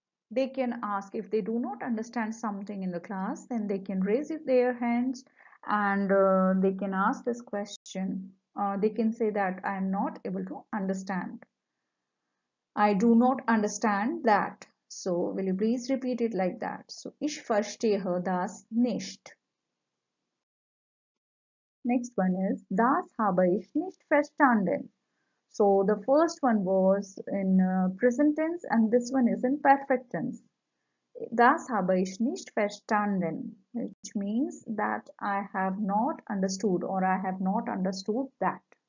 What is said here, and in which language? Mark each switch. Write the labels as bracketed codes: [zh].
[en] They can ask if they do not understand something in the class, then they can raise their hands and they can ask this question. They can say that I am not able to understand. I do not understand that. So, will you please repeat it like that? [de] So, ich verstehe das nicht. Next one is, das habe ich nicht verstanden. [en] So, the first one was in present tense and this one is in perfect tense. Das habe ich nicht verstanden, which means that I have not understood or I have not understood that.